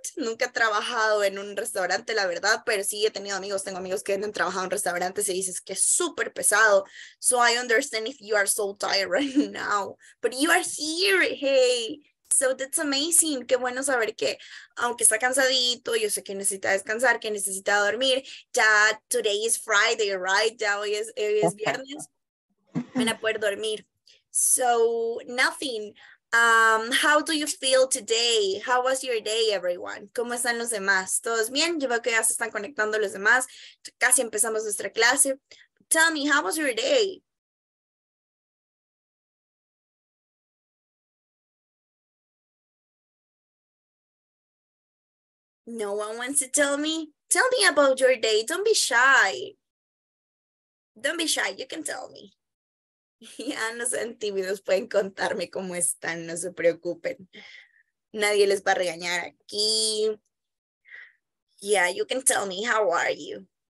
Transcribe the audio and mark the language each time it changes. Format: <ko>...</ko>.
<es>Nunca he trabajado en un restaurante, la verdad, pero sí he tenido amigos, tengo amigos que han trabajado en restaurantes y dices que es súper pesado.</es> <en>So I understand if you are so tired right now, but you are here, hey. So that's amazing.</en> <es>Qué bueno saber que, aunque está cansadito, yo sé que necesita descansar, que necesita dormir. Ya</es> <en>today is Friday, right?</en> <es>Ya hoy es viernes. Van a poder dormir.</es> <en>So nothing. How do you feel today? How was your day, everyone?</en> <es>¿Cómo están los demás? ¿Todos bien? Yo veo que ya se están conectando los demás. Casi empezamos nuestra clase.</es> <en>Tell me, how was your day? No one wants to tell me. Tell me about your day. Don't be shy. Don't be shy. You can tell me.</en> <es>Ya no sean tímidos, pueden contarme cómo están, no se preocupen. Nadie les va a regañar aquí.</es> <en>Yeah, you can tell me, how are you?</en>